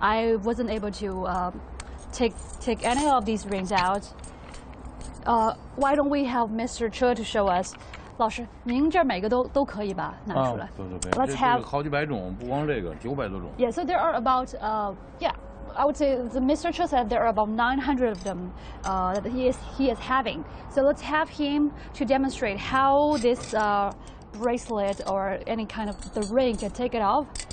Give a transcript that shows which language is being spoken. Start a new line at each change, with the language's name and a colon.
English: I wasn't able to take any of these rings out. Why don't we have Mr. Chu to show us?
Chinese: 老师，您这每个都可以吧？拿出来。对。
English: Let's have
Chinese: 好几百种，不光这个，900多种。
English: Yeah, so there are about I would say the Mr. Chu said there are about 900 of them that he is having. So let's have him to demonstrate how this bracelet or any kind of the ring can take it off.